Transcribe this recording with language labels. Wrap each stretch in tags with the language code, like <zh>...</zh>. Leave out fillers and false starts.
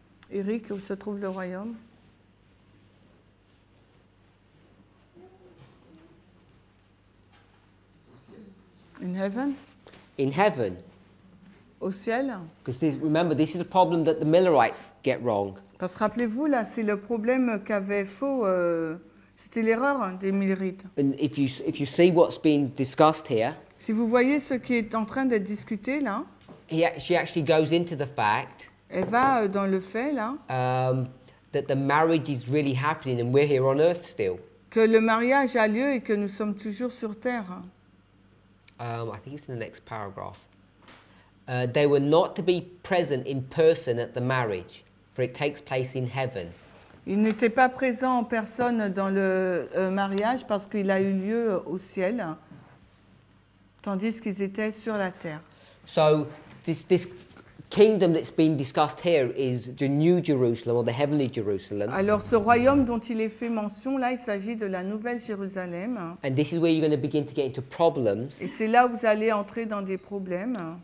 <fr>Eric, où se trouve le royaume.</fr> <en>In heaven. In heaven.</en> <fr>Au ciel.</fr> <en>Because remember, this is a problem that the Millerites get wrong.</en> <fr>Parce que rappelez-vous là, c'est le problème qu'avait faux. C'était l'erreur des Millerites.</fr> <en>And if you see what's being discussed here.</en> <fr>Si vous voyez ce qui est en train d'être discuté là.</fr> <en>She actually goes into the fact.</en> <fr>Elle va dans le fait là.</fr> <en>That the marriage is really happening and we're here on earth still.</en> <fr>Que le mariage a lieu et que nous sommes toujours sur terre.</fr> <en>I think it's in the next paragraph. They were not to be present in person at the marriage, for it takes place in heaven.</en> <fr>Ils n'étaient pas présents en personne dans le mariage parce qu'il a eu lieu au ciel, tandis qu'ils étaient sur la terre.</fr> <en>So this kingdom that's being discussed here is the new Jerusalem or the heavenly Jerusalem.</en> <fr>Alors ce royaume dont il est fait mention là, il s'agit de la nouvelle Jérusalem.</fr> <en>And this is where you're going to begin to get into problems.</en> <fr>Et c'est là où vous allez entrer dans des problèmes.</fr>